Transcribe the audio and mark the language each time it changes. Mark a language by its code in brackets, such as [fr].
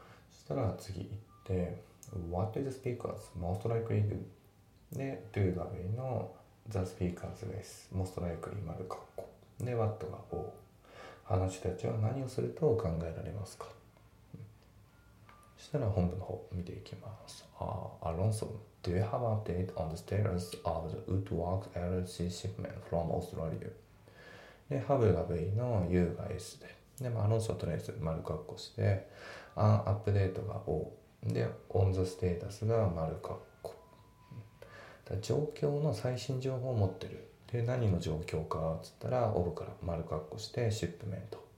[en] そしたら次行って、 What do the speakers most likely do? [ja] で、do が V の the speakers です。most likely 丸括弧。で、what が O。話たちは何をすると考えられますか？そしたら本部の方見ていきます。 [en] Alonso, do you have an update on the status of the Woodworks LLC shipment from Australia? [ja] で、ハブが V の U が S で。で、まあ、アロンソはとりあえず丸括弧して、アンアップデートが O で、オンザステータスが丸括弧。だ、状況の最新情報を持ってる。で、何の状況かっつったら、オブから丸括弧して、シップメント。